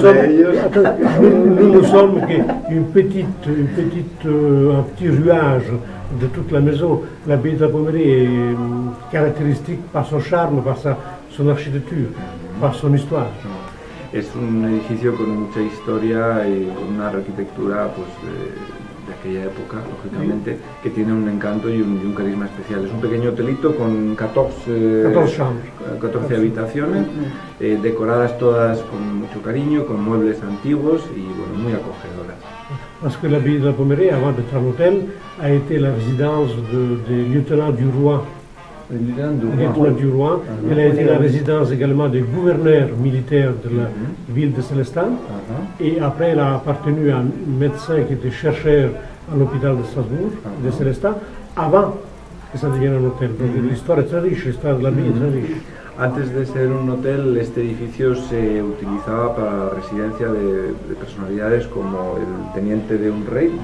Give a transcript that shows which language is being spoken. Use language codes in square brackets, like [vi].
[fr] Nous ne sommes qu'un petit ruage de toute la maison. La baie de la Pommerée est caractéristique par son charme, par son architecture, par son histoire. [es] Es un edificio con mucha historia y con una arquitectura pues, de aquella época, lógicamente, que tiene un encanto y un carisma especial. Es un pequeño hotelito con 14 habitaciones, decoradas todas con mucho cariño, con muebles antiguos y bueno, muy acogedoras. [fr] Parce que la ville de la Pommerée, avant d'être un hôtel, a été la résidence de lieutenant du roi. Du roi. Elle a été la résidence également des gouverneurs militaires de la ville de Célestin. Et après, elle a appartenu à un médecin qui était chercheur à l'hôpital de Strasbourg, de Célestin, avant que ça devienne un hôtel. Donc l'histoire est très riche, l'histoire de la ville est très riche. [es] Antes de ser un hotel, este edificio se utilizaba para la residencia de personalidades como el teniente de un rey,